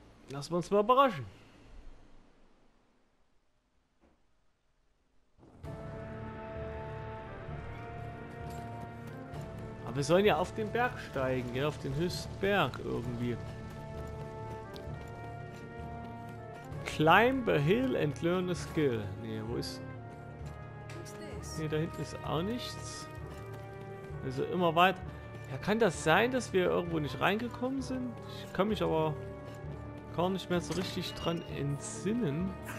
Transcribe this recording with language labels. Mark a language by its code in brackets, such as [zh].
[de] Lassen wir uns mal überraschen. Aber wir sollen ja auf den Berg steigen, ja, auf den höchsten Berg irgendwie. [en] Climb a hill and learn a skill. [de] Nee, wo ist... Nee, da hinten ist auch nichts. Also immer weit... Ja, kann das sein, dass wir irgendwo nicht reingekommen sind? Ich kann mich aber gar nicht mehr so richtig dran entsinnen.